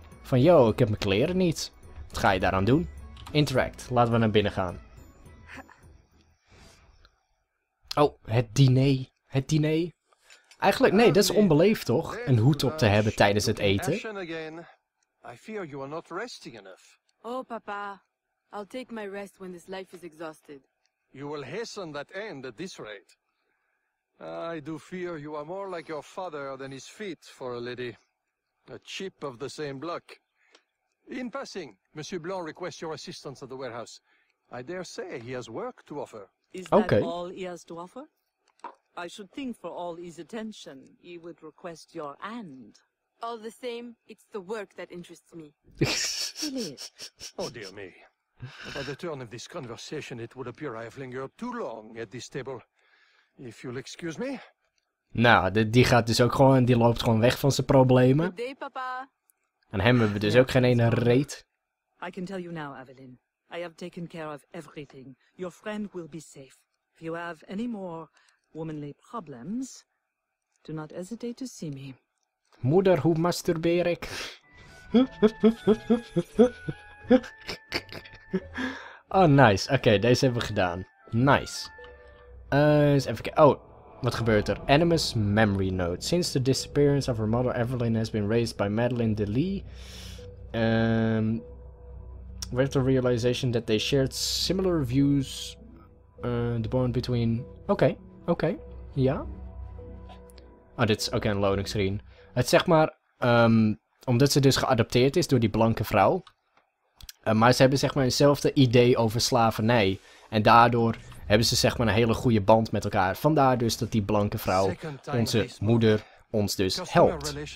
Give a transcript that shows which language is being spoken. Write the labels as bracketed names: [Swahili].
[Dutch] Van yo, ik heb mijn kleren niet. Wat ga je daaraan doen? Interact. Laten we naar binnen gaan. Oh, het diner. Het diner. Eigenlijk, nee, dat is onbeleefd toch? Een hoed op te hebben tijdens het eten. [English] I fear you are not resting enough. Oh, papa. I'll take my rest when this life is exhausted. You will hasten that end at this rate. I do fear you are more like your father than his feet for a lady. A chip of the same block. In passing, Monsieur Blanc requests your assistance at the warehouse. I dare say he has work to offer. Is that okay. All he has to offer? I should think for all his attention, he would request your hand. All the same, it's the work that interests me. Oh dear me. By the turn of this conversation, it would appear I have lingered too long at this table. If you'll excuse me. [Dutch] Nou, die gaat dus ook gewoon, die loopt gewoon weg van zijn problemen. [English] Good day, papa. [Dutch] En hem hebben we dus ook geen ene reet. [English] I can tell you now, Evelyn. I have taken care of everything. Your friend will be safe. If you have any more womanly problems, do not hesitate to see me. [Dutch] Moeder, hoe masturbeer ik? [English] Oh, nice. [Dutch] Oké, okay, deze hebben we gedaan. Nice. Eens even kijken. Oh, wat gebeurt er? [English] Animus memory note. Since the disappearance of her mother, Evelyn has been raised by Madeline de Lee. With the realization that they shared similar views, the bond between... [Dutch] Oké, ja. Oh, dit is ook een loading screen. Het zeg maar, omdat ze dus geadopteerd is door die blanke vrouw. Maar ze hebben zeg maar hetzelfde idee over slavernij. En daardoor hebben ze zeg maar een hele goede band met elkaar. Vandaar dus dat die blanke vrouw, onze moeder, ons dus helpt.